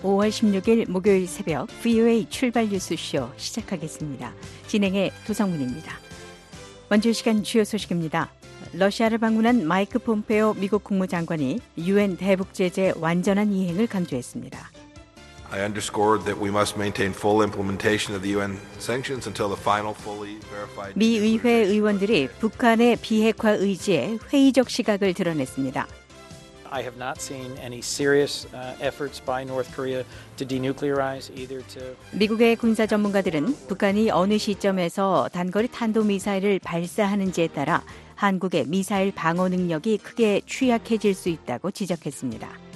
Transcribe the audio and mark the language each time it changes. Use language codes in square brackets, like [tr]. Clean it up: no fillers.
[ko] 5월 16일 목요일 새벽 VOA 출발 뉴스 쇼 시작하겠습니다. 진행의 도성문입니다. 먼저 시간 주요 소식입니다. 러시아를 방문한 마이크 폼페오 미국 국무장관이 유엔 대북 제재 완전한 이행을 강조했습니다. [en] I underscored that we must maintain full implementation of the UN sanctions until the final fully verified. [ko] 미 의회 의원들이 북한의 비핵화 의지에 회의적 시각을 드러냈습니다. [en] I have not seen any serious efforts by North Korea to denuclearize either to. [ko] 미국의 군사 전문가들은 북한이 어느 시점에서 단거리 탄도 미사일을 발사하는지에 따라 한국의 미사일 방어 능력이 크게 취약해질 수 있다고 지적했습니다.